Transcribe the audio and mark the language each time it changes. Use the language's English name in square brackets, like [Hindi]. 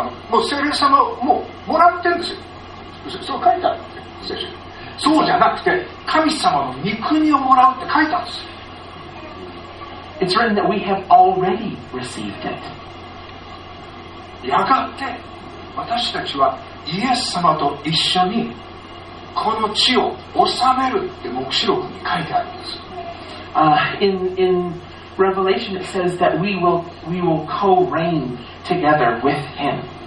[Japanese] もう聖霊様ももらってるんですよ。そう書いてある。聖書。そうじゃなくて神様の御国をもらうって書いてあるんです。 [English] It's written that we have already received it. [Japanese] やがて私たちはイエス様と一緒にこの地を治めるって黙示録に書いてあるんです。 [English] In Revelation, it says that we will co-reign together with Him.